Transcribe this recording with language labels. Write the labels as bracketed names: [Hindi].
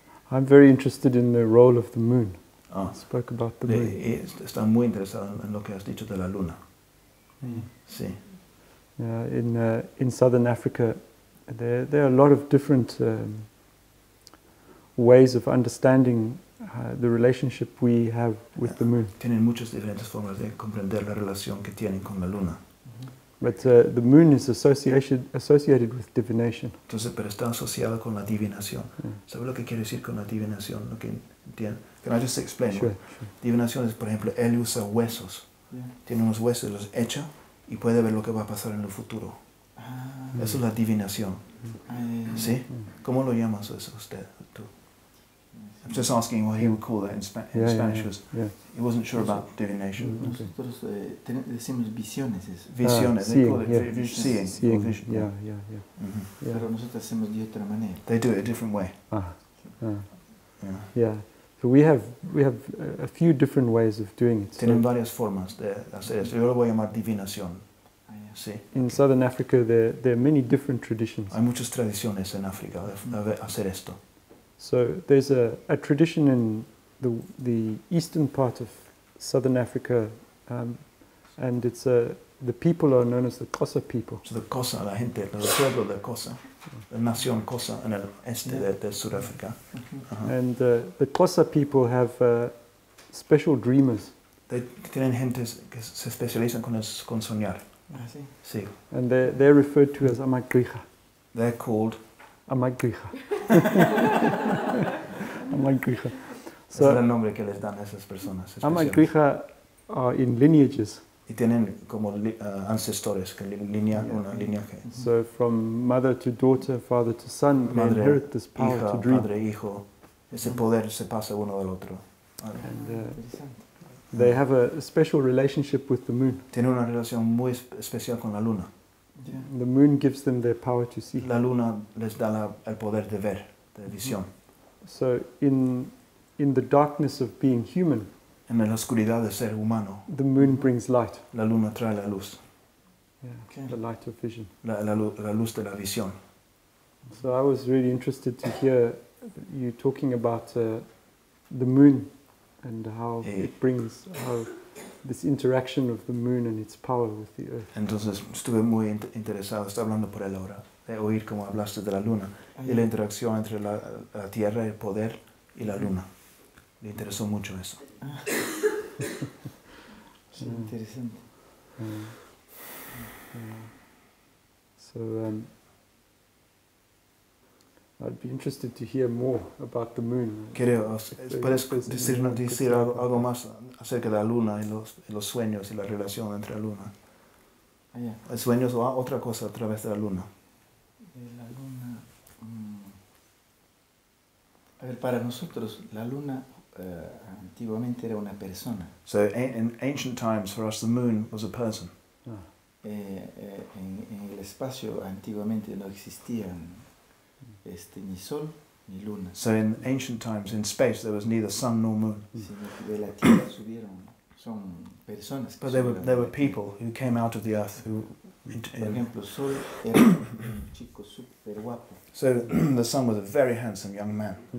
[English] I'm very interested in the role of the moon. Ah. I spoke about the moon. [Spanish] Están muy interesados en lo que has dicho de la luna. Sí. [English] In Southern Africa, there are a lot of different ways of understanding the relationship we have with the moon. [Spanish] Tienen muchas diferentes formas de comprender la relación que tienen con la luna. [English] But the moon is associated with divination. [Spanish] Entonces, pero está asociado con la divinación. Yeah. ¿Sabes lo que quiero decir con la divinación? Lo que entiendo. [English] Can I just explain? Sure. [Spanish] Divinación es, por ejemplo, él usa huesos. Yeah. Tiene unos huesos, los echa y puede ver lo que va a pasar en el futuro. Ah. Eso es la divinación. Mm-hmm. ¿Sí? Mm-hmm. ¿Cómo lo llamas eso usted? Tú. [English] I'm just asking what he would call that in Spanish. Yeah. He wasn't sure about divination. [Spanish] Nosotros decimos visiones. Visiones. [English] Seeing. Seeing. Yeah. [Spanish] Pero nosotros hacemos de otra manera. [English] They do it a different way. Yeah. So we have a few different ways of doing it. [Spanish] Tienen varias formas de hacer eso. Yo lo voy a llamar divinación. Sí. [English] In Southern Africa, there are many different traditions. [Spanish] Hay muchas tradiciones en África de hacer esto. [English] So there's a tradition in the eastern part of Southern Africa, and it's the people are known as the Xhosa people. [Spanish] So the Xhosa, la gente, el pueblo de Xhosa, la nación Xhosa en el este de Sudáfrica. [English] Uh-huh. And the Xhosa people have special dreamers. [Spanish] They tienen gente que se especializan con soñar. Ah, sí. Sí. [English] And they're referred to as Amagriha. They're called Amagriha. Amagriha. [Spanish] So, es el nombre que les dan a esas personas especiales. [English] Amagriha are in lineages. [Spanish] Y tienen como ancestores, que línea, una línea. [English] So from mother to daughter, father to son, [Spanish] madre, [English] they inherit this power [Spanish] hija, [English] to dream. [Spanish] Madre, hijo, ese poder se pasa uno del otro. [English] And, they have a special relationship with the moon. [Spanish] Tienen una relación muy especial con la luna. [English] Yeah. The moon gives them their power to see. [Spanish] La luna les da el poder de ver, de visión. [English] So in the darkness of being human, [Spanish] en la oscuridad de ser humano, [English] the moon brings light. [Spanish] La luna trae la luz. [English] Yeah, okay. The light of vision. [Spanish] La luz de la visión. [English] So I was really interested to hear you talking about the moon. And how it brings how this interaction of the moon and its power with the earth. [Spanish] Entonces estuve muy interesado, estaba hablando por él ahora, de oír cómo hablaste de la luna y la interacción entre la tierra, el poder y la luna. Le interesó mucho eso. Interesante. [English] So I'd be interested to hear more about the moon. [Spanish] Quiero, ¿puedes decir algo más acerca de la luna y los sueños y la relación entre la luna? [English] Yeah. [Spanish] ¿Sueños o otra cosa a través de la luna? De la luna... A ver, para nosotros, la luna antiguamente era una persona. [English] So, in ancient times, for us, the moon was a person. [Spanish] Ah. En el espacio, antiguamente, no existían... ni sol, ni luna. [English] So in ancient times, in space, there was neither sun nor moon. [Spanish] De la tierra subieron, son personas. [English] But there were people who came out of the earth who. [Spanish] Por ejemplo, sol era un chico super guapo. [English] So the sun was a very handsome young man.